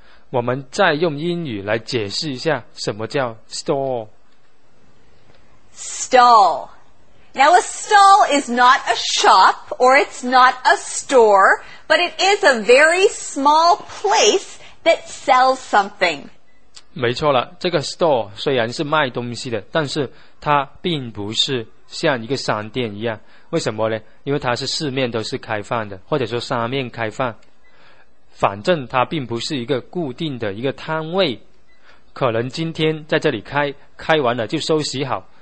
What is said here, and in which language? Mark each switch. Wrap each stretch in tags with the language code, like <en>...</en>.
<zh>我们再用英语来解释一下什么叫 store。</zh> <en>Stall. Now a stall is not a shop or it's not a store, but it is a very small place that sells something.</en> <zh>没错了，这个 store 虽然是卖东西的，但是它并不是像一个商店一样。为什么呢？因为它是四面都是开放的，或者说三面开放。反正它并不是一个固定的一个摊位，可能今天在这里开，开完了就收拾好。</zh>